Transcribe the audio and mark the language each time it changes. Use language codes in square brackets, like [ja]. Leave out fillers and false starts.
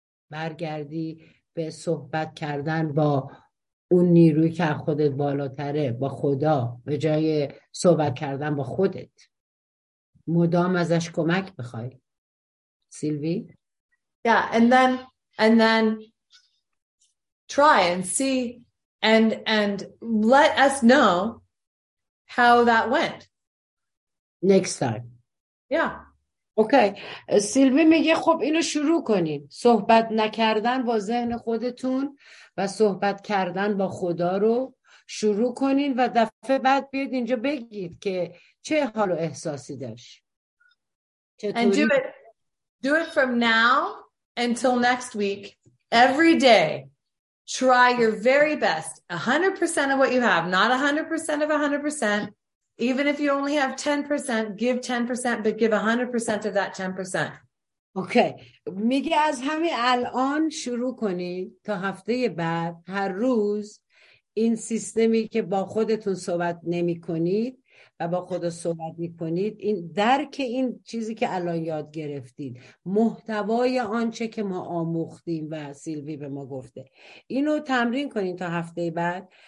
[fa] برگردی به صحبت کردن با اون نیروی که خودت بالاتره، با خدا، به جای صحبت کردن با خودت مدام ازش کمک بخوای. سیلوی؟ [en] Yeah, and then try and see and let us know how that went. Next time. Yeah. Okay. [fa] سیلوی میگه خب اینو شروع کنین، صحبت نکردن با ذهن خودتون و صحبت کردن با خدا رو شروع کنین و دفعه بعد بیاد اینجا بگید که چه حال و احساسی داشت. [en] And do it from now until next week. Every day try your very best, 100% of what you have, not 100% of 100%. Even if you only have 10%, give 10%, but give 100% of that 10%. Okay. [fa] میگه از همین الان شروع کنید تا هفته بعد هر روز این سیستمی که با خودتون صحبت نمی کنید و با خدا صحبت می کنید، این درک این چیزی که الان یاد گرفتید، محتوای آنچه که ما آموختیم و سیلوی به ما گفته، اینو تمرین کنید تا هفته بعد